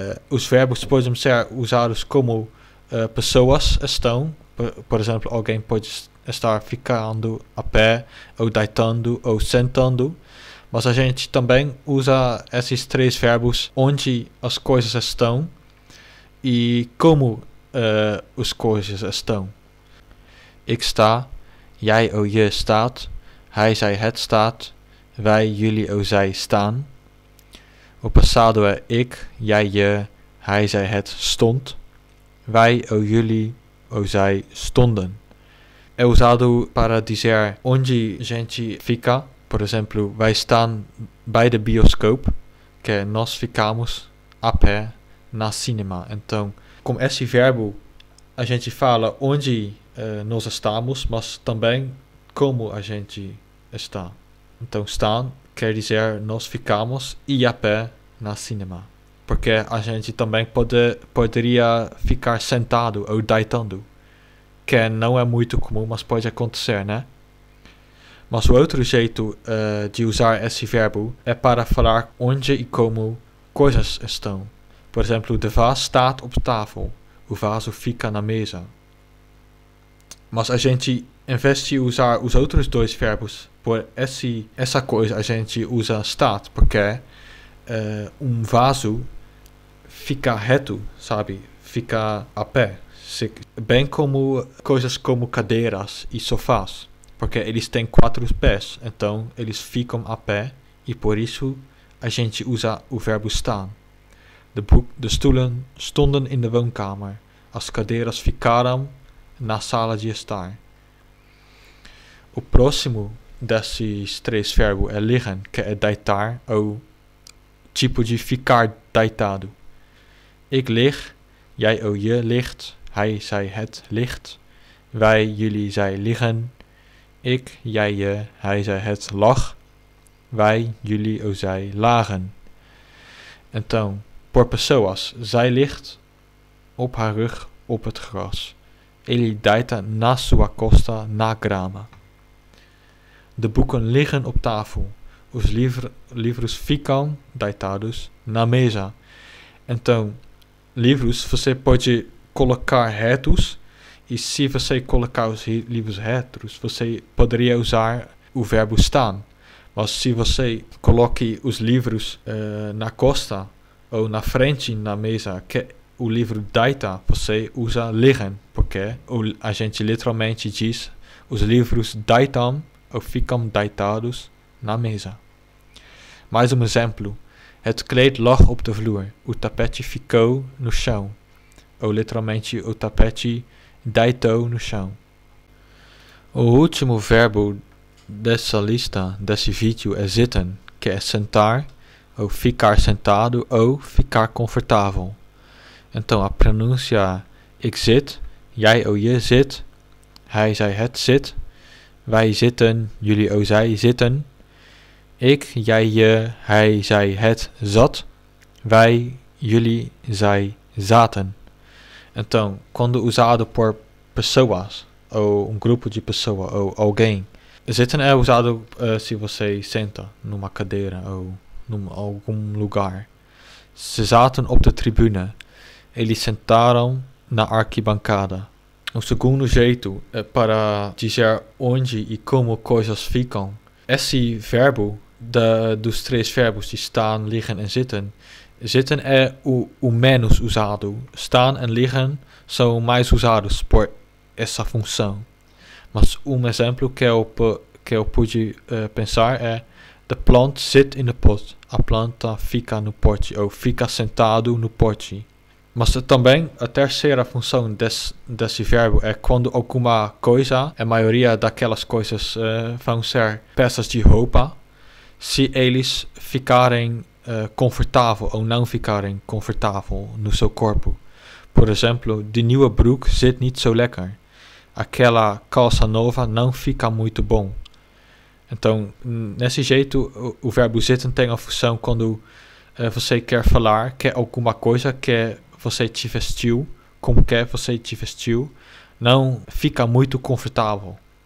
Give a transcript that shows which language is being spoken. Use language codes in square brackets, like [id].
[pt] Os verbos podem ser usados como pessoas estão, por exemplo, alguém pode estar ficando a pé, ou deitando, ou sentando. Mas a gente também usa esses três verbos onde as coisas estão e como as coisas estão. [nl] Ik sta, jij ou je staat, hij, zij, het staat, wij, jullie ou zij staan. [pt] O passado é [nl] ik, jij, je, hij, zij, het stond, wij ou jullie ou zij stonden. [pt] É usado para dizer onde a gente fica. Por exemplo, [nl] wij staan bij de bioscoop, [pt] que nós ficamos a pé na cinema. Então, com esse verbo, a gente fala onde nós estamos, mas também como a gente está. Então, staan quer dizer nós ficamos e a pé na cinema. Porque a gente também poderia ficar sentado ou deitando, que não é muito comum, mas pode acontecer, né? Mas o outro jeito de usar esse verbo é para falar onde e como coisas estão. Por exemplo, [nl] de vaso staat op tafel. [pt] O vaso fica na mesa. Mas a gente, em vez de usar os outros dois verbos, por essa coisa a gente usa staat, porque vaso fica reto, sabe? Fica a pé. Bem como coisas como cadeiras e sofás. Porque eles têm quatro pés, então eles ficam a pé e por isso a gente usa o verbo staan. [nl] De stoelen stonden in de woonkamer. [pt] As cadeiras ficaram na sala de estar. O próximo desses três verbos é liggen, que é deitar, ou tipo de ficar deitado. [nl] Ik lig, jij ou je ligt, hij, zij, het ligt, wij, jullie, zij liggen. Ik, jij, je, hij, zij, het lag. Wij, jullie, ou zij, lagen. [pt] Então, por pessoas. [nl] Zij ligt op haar rug op het gras. [pt] Ele deita na sua costa na grama. [nl] De boeken liggen op tafel. [pt] Os livros ficam deitados na mesa. Então, livros, você pode colocar retos. E se você colocar os livros retos, você poderia usar o verbo staan. Mas se você coloque os livros na costa ou na frente na mesa, que o livro deita, você usa liggen. Porque a gente literalmente diz, os livros deitam ou ficam deitados na mesa. Mais exemplo. [nl] Het kleed lag op de vloer. [pt] O tapete ficou no chão. Ou literalmente, o tapete deitou no chão. O último verbo dessa lista, desse vídeo, é zitten, que é sentar, ou ficar sentado, ou ficar confortável. Então, a pronúncia [nl] ik zit, jij ou je zit, hij, zij, het zit, wij zitten, jullie ou zij zitten, ik, jij, je, hij, zij, het zat, wij, jullie, zij zaten. [pt] Então, quando usado por pessoas, ou grupo de pessoas, ou alguém, zitten é usado se você senta numa cadeira ou noem algum lugar. [nl] Ze zaten op de tribune. [pt] Eles sentaram na arquibancada. Um segundo jeito é para dizer onde e como coisas ficam. Esse verbo, dos três verbos de staan, liggen e zitten, zitten é o menos usado. Staan e liggen são mais usados por essa função. Mas exemplo que eu pude pensar é: [en] the plant sit in the pot. [pt] A planta fica no pote, ou fica sentado no pote. Mas também a terceira função desse verbo é quando alguma coisa, a maioria daquelas coisas vão ser peças de roupa, se eles ficarem confortável ou não ficarem confortável no seu corpo. Por exemplo, [nl] de nieuwe broek zit niet zo lekker. [pt] Aquela calça nova não fica muito bom. Então, nesse jeito, o verbo zitten tem a função quando você quer falar, quer alguma coisa que você te vestiu, como que você te vestiu, não fica muito confortável.